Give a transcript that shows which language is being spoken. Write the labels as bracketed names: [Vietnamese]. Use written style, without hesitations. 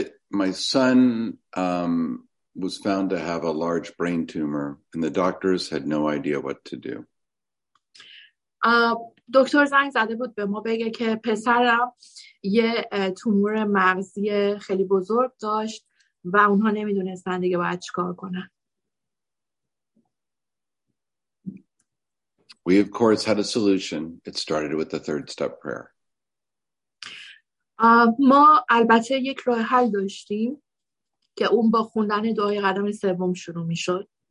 [English] My son was found to have a large brain tumor and the doctors had no idea what to do. [Persian] دکتر زنگ زده بود به ما بگه که پسرم یه تومور مغزی خیلی بزرگ داشت و اونها نمیدونستن دیگه باید چیکار کنن. [English] We of course had a solution. It started with the third step prayer. [Persian] ما البته یک راه حل داشتیم که اون با خوندن دعای قدم سوم شروع میشد.